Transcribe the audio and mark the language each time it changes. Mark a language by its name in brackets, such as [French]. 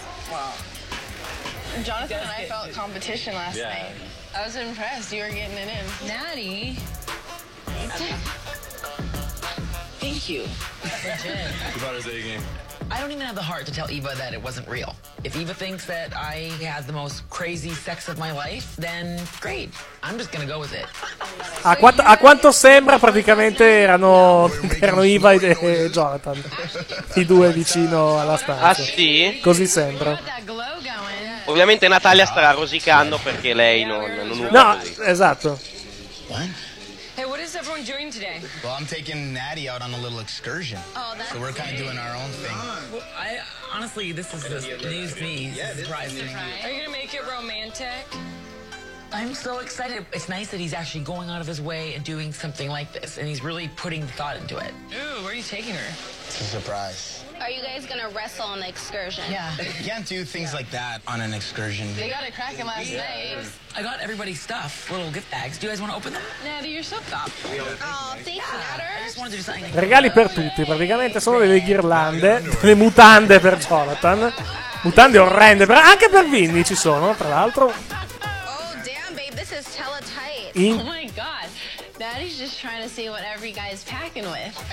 [English] Wow. Jonathan and I felt competition last night. I was impressed. You were getting it in. Natty. Thank you. I don't even have the heart to tell Eva that it wasn't real. If Eva thinks that I had the most crazy sex of my life, then great. I'm just gonna go with it. [Italian] A quanto sembra praticamente erano Eva e Jonathan. I due vicino alla stanza. Ah sì? Così sembra. Ovviamente Natalia starà rosicando perché lei non usa. No, esatto. [English] Hey, what is everyone doing today? Well, I'm taking Natty out on a little excursion. Oh, that's so we're kind of doing our own thing. Well, I honestly, this is the news to me. Yeah, surprising. Are you gonna make it romantic? I'm so excited. It's nice that he's actually going out of his way and doing something like this, and he's really putting thought into it. Ooh, where are you taking her? It's a surprise. Are you guys gonna wrestle on the excursion? Yeah. You can't do things like that on an excursion. They got it cracking last night. I got everybody's stuff, little gift bags. Do you guys want to open them? Natty, you're so thoughtful. Oh, thanks, Natter. I just wanted to do something. [Italian] Regali per tutti, praticamente sono delle ghirlande, delle mutande per Jonathan. Mutande orrende, però anche per Vinny ci sono, tra l'altro. [English] Oh, damn, babe, this is tella tight. Oh my god, Natty's just trying to see what every guy's packing with.